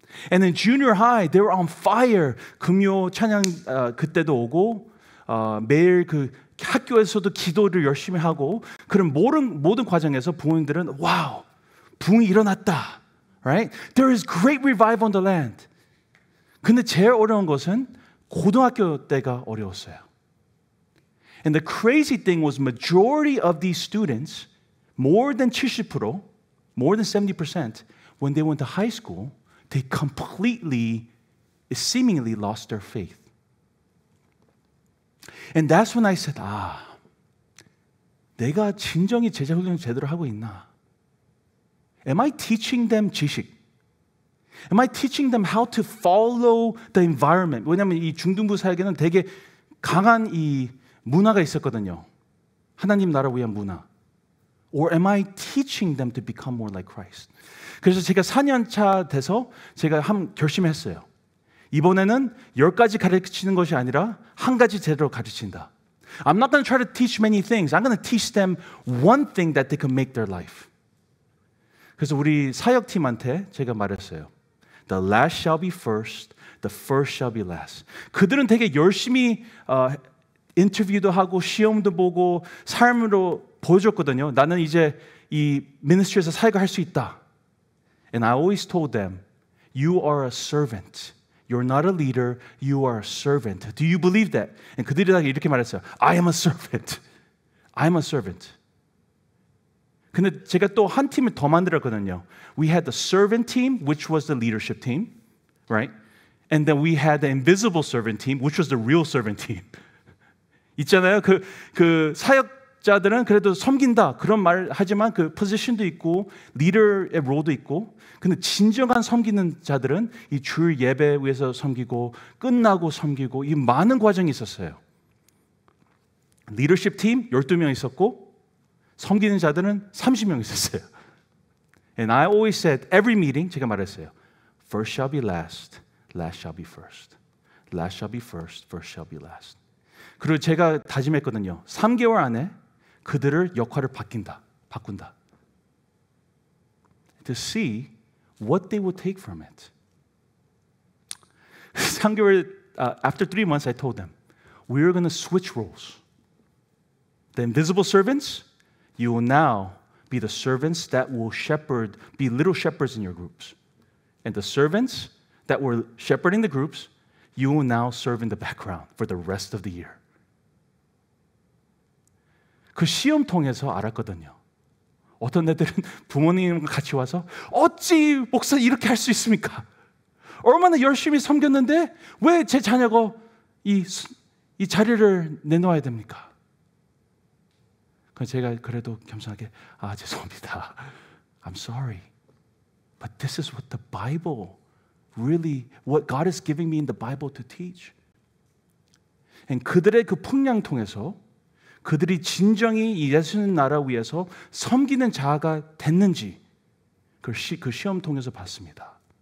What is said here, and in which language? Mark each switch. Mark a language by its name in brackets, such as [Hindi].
[English] And in junior high, they were on fire. [Korean] 금요 찬양 그때도 오고 매일 그 학교에서도 기도를 열심히 하고 그런 모든 과정에서 부모님들은 와우, 붕이 일어났다. [English] Right? There is great revival on the land. [Korean] 근데 제일 어려운 것은 고등학교 때가 어려웠어요. [English] And the crazy thing was majority of these students, more than 70%, more than 70%, when they went to high school, they completely, seemingly lost their faith. And that's when I said, [Korean] 아, 내가 진정히 제자 훈련을 제대로 하고 있나? [English] Am I teaching them 지식? Am I teaching them how to follow the environment? [Korean] 왜냐하면 이 중등부 사역에는 되게 강한 이 문화가 있었거든요. 하나님 나라 위한 문화. [English] Or am I teaching them to become more like Christ? [Korean] 그래서 제가 4년차 돼서 제가 한 결심했어요. 이번에는 10가지 가르치는 것이 아니라 한 가지 제대로 가르친다. [English] I'm not going to try to teach many things. I'm going to teach them one thing that they can make their life. [Korean] 그래서 우리 사역팀한테 제가 말했어요. [English] The last shall be first, the first shall be last. [Korean] 그들은 되게 열심히 인터뷰도 하고 시험도 보고 삶으로 보여줬거든요. 나는 이제 이 미니스트리에서 사역을 할 수 있다. [English] And I always told them, you are a servant. You're not a leader, you are a servant. Do you believe that? And [Korean] 그들이 이렇게 말했어요. [English] I am a servant. I am a servant. [Korean] 근데 제가 또 한 팀을 더 만들었거든요. [English] We had the servant team, which was the leadership team, right? And then we had the invisible servant team, which was the real servant team. [Korean] 있잖아요. 그 사역자들은 그래도 섬긴다. 그런 말 하지만 그 포지션도 있고, 리더의 롤도 있고, 근데 진정한 섬기는 자들은 이 주일 예배 위해서 섬기고, 끝나고 섬기고, 이 많은 과정이 있었어요. 리더십 팀 12명 있었고, 섬기는 자들은 30명 있었어요. [English] And I always said, every meeting, [Korean] 제가 말했어요. [English] First shall be last, last shall be first. Last shall be first, first shall be last. [Korean] 그리고 제가 다짐했거든요. 3개월 안에 그들을 역할을 바꾼다. [English] To see what they will take from it. 3개월, after 3 months, I told them, we are going to switch roles. The invisible servants, you will now be the servants that will shepherd, be little shepherds in your groups. And the servants that were shepherding the groups, you will now serve in the background for the rest of the year. [Korean] 그 시험 통해서 알았거든요. 어떤 애들은 부모님과 같이 와서 어찌 목사 이렇게 할 수 있습니까? 얼마나 열심히 섬겼는데 왜 제 자녀가 이 자리를 내놓아야 됩니까? 제가 그래도 겸손하게 아 죄송합니다. [English] I'm sorry. But this is what the Bible really, what God is giving me in the Bible to teach. [Korean] And 그들의 그 풍량 통해서 그들이 진정히 예수님 나라 위해서 섬기는 자아가 됐는지 그 시험 통해서 봤습니다.